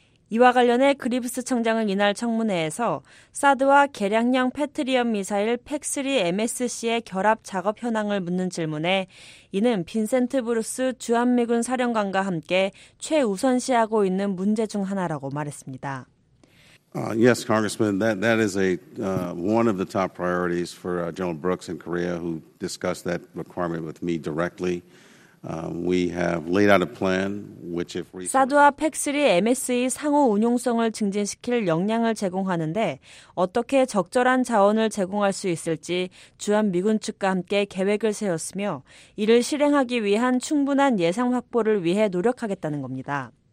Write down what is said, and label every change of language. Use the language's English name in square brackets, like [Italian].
[Korean] 이와 관련해 그립스 청장은 이날 청문회에서 사드와 개량형 패트리엄 미사일 팩3 MSC의 결합 작업 현황을 묻는 질문에 이는 빈센트 브루스 주한미군 사령관과 함께 최우선시하고 있는 문제 중 하나라고 말했습니다. [English] Yes, Congressman, that is a one of the top priorities for General Brooks in Korea who discussed that requirement with me directly. We have laid out a plan which if resourced... [Korean] 사드와 팩3 MSE 상호 운용성을 증진시킬 역량을 제공하는데 어떻게 적절한 자원을 제공할 수 있을지 주한미군 측과 함께 계획을 세웠으며 이를 실행하기 위한 충분한 예상 확보를 위해 노력하겠다는 겁니다.